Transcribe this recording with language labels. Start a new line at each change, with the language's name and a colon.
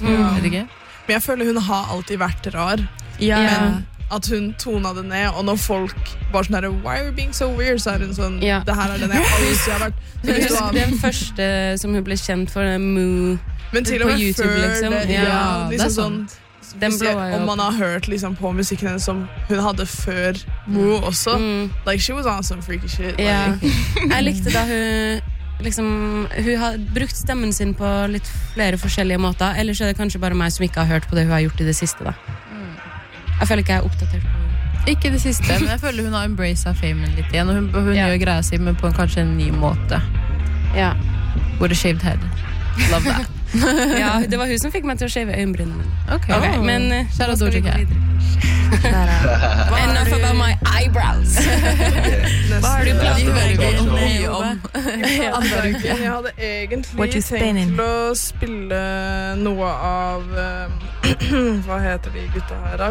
Norwegian: Vet du ikke? Men jeg føler hun har alltid vært rar. Ja. Men at hun tonet det ned, og når folk bare sånn her,
English: why are you being so weird,
Norwegian: så er hun sånn, det her den jeg alltid har vært. Men husk den første som hun ble kjent for, den Moo, men til på YouTube, liksom. Men til og med før, ja, liksom det sånn.
Swedish: Den blåa jag. Om man har hört liksom på musiken som hon hade för Moo också. Mm.
English: Like, she was on some freaky shit. Yeah.
Norwegian: Like. Jag likte det hon... Liksom, hun har brukt stemmen sin på litt flere forskjellige måter eller så det kanskje bare meg som ikke har hørt på det hun har gjort i det siste da. Jeg føler ikke jeg oppdatert på det. Ikke det siste, men jeg føler hun har embraced fame litt igjen og hun gjør greia sin, men på en, kanskje en ny måte. Ja.
English: With a shaved head. Love that.
Norwegian: Ja, det var hun som fikk meg til å shave øynbrynene mine. Okay. Okay, men kjære Doja Cat.
English: Enough about my eyebrows.
Norwegian: Var du blå i vergen? Jeg hadde egentlig tenkt å spille noe av hva heter de gutta her da?